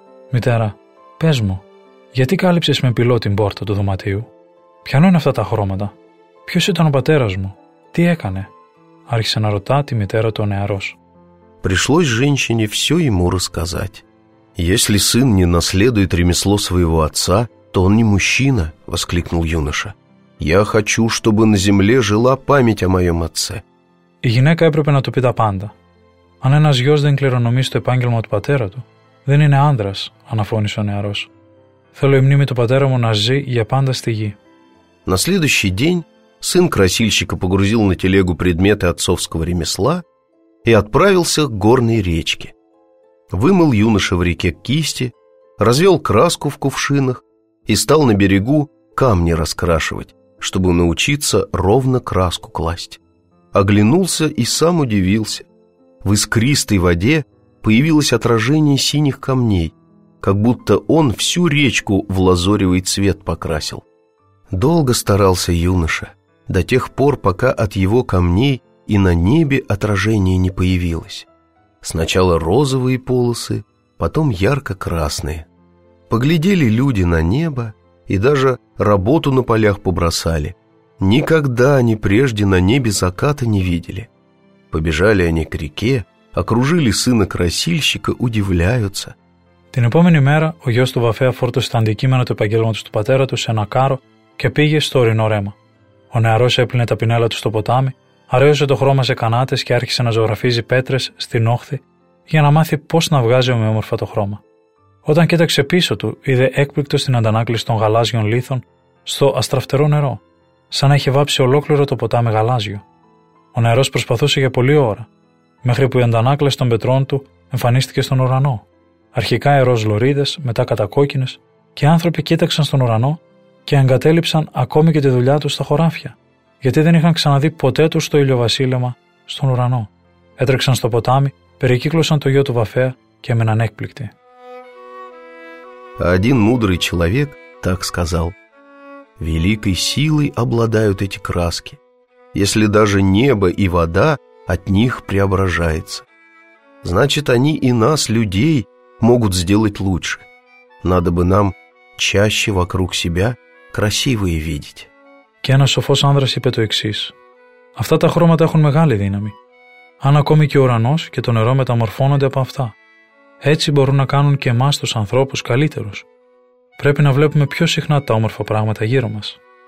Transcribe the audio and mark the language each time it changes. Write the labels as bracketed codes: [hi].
[el] «Мητέρα, πες μου, γιατί κάλυψες με πυλό την πόρτα του δωματίου? Ποιανό είναι αυτά τα χρώματα? Ποιος ήταν ο πατέρας μου? Τι έκανε?» άρχισε να ρωτά τη μητέρα του ο νεαρός. [ru] Пришлось женщине все ему рассказать. «Если сын не наследует ремесло своего отца, то он не мужчина», — воскликнул юноша. «Я хочу, чтобы на земле жила память о моем отце». [el] Η γυναίκα έπρεπε να του πει τα πάντα. «Αν ένας γιος δεν κληρονομεί στο επάγγελμα του πατέρα του, δεν είναι άντρας», αναφώνησε ο νεαρός. «Θέλω η μνήμη του πατέρα μου να ζει για πάντα στη γη». [ru] На следующий день сын красильщика погрузил на телегу предметы отцовского ремесла и отправился к горной речке. Вымыл юноша в реке кисти, развел краску в кувшинах и стал на берегу камни раскрашивать, чтобы научиться ровно краску класть. Оглянулся и сам удивился. В искристой воде появилось отражение синих камней, как будто он всю речку в лазоревый цвет покрасил. Долго старался юноша, до тех пор, пока от его камней и на небе отражение не появилось. Сначала розовые полосы, потом ярко-красные. Поглядели люди на небо и даже работу на полях побросали. Никогда они прежде на небе заката не видели. Побежали они к реке, окружили сына красильщика, удивляются. [el] Την επόμενη мера ο γιος του Βαφέα φόρτωσε τα αντικείμενα του επαγγέλματος του πατέρα του σε ένα κάρο και πήγε στο ορεινό ρέμα. Ο νεαρός έπλυνε τα πινέλα του στο ποτάμι, αρέωσε το χρώμα σε κανάτες και άρχισε να ζωγραφίζει πέτρες στην όχθη για να μάθει πώς να βγάζει ομοιόμορφα το χρώμα. Όταν κοίταξε πίσω του, είδε έκπληκτο στην αντανάκληση των γαλάζιων λίθων στο αστραφτερό νερό, σαν να είχε βάψει ολόκληρο το ποτάμι γαλάζιο. Ο νεαρός προσπαθούσε για πολλή ώρα, μέχρι που η αντανάκληση των πετρών του εμφανίστηκε στον ουρανό. Αρχικά ερός λωρίδες, μετά κατακόκκινες, και οι άνθρωποι κοίταξαν στον ουρανό και εγκατέλειψαν ακόμη και τη δουλειά τους στα χωράφια, γιατί δεν είχαν ξαναδεί ποτέ τους το ηλιοβασίλεμα στον ουρανό. Έτρεξαν στο ποτάμι, περικύκλωσαν το γιο του Βαφέα και έμειναν έκπληκτοι. [ru] Один мудрый человек так сказал: «Великой силой обладают эти краски, если даже небо и вода от них преображается. Значит, они и нас, людей, могут сделать лучше. Надо бы нам чаще вокруг себя красивые видеть». [el] Και ένας σοφός άνδρας είπε το εξής: «Αυτά τα χρώματα έχουν μεγάλη δύναμη. Αν ακόμη και ο ουρανός και το νερό μεταμορφώνονται από αυτά, έτσι μπορούν να κάνουν και εμάς τους ανθρώπους καλύτερους. Πρέπει να βλέπουμε πιο συχνά τα όμορφα πράγματα γύρω μας».